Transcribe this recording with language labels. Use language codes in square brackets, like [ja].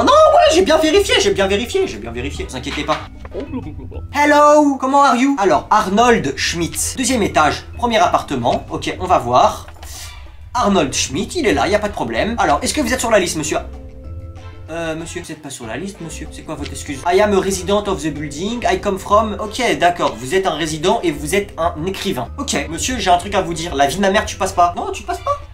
[fr] Non, ouais, j'ai bien vérifié. Vous inquiétez pas. Hello, comment are you? Alors, Arnold Schmidt, deuxième étage, premier appartement. Ok, on va voir. Arnold Schmidt, il est là, il n'y a pas de problème. Alors, est-ce que vous êtes sur la liste, monsieur? Monsieur, vous êtes pas sur la liste, monsieur. C'est quoi votre excuse? [en] I am a resident of the building, I come from... [fr] Ok, d'accord, vous êtes un résident et vous êtes un écrivain. Ok, monsieur, j'ai un truc à vous dire. La vie de ma mère, tu passes pas. Non, tu passes pas.